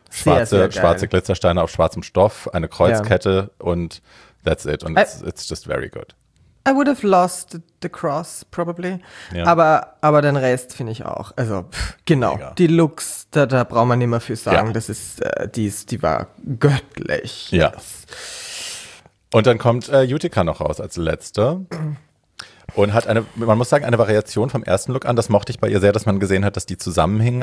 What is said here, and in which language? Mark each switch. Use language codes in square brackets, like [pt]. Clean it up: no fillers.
[de] Schwarze Glitzersteine auf schwarzem Stoff, eine Kreuzkette und [en] that's it. Und it's just very good. I would have lost the cross, probably. [de] Ja. Aber den Rest finde ich auch. Also, genau. Mega. Die Looks, da braucht man nicht mehr für sagen. Ja. Das ist, die war göttlich. Ja. Yes. Und dann kommt Utica noch raus als Letzte. Und hat eine Variation vom ersten Look an. Das mochte ich bei ihr sehr, dass man gesehen hat, dass die zusammenhingen.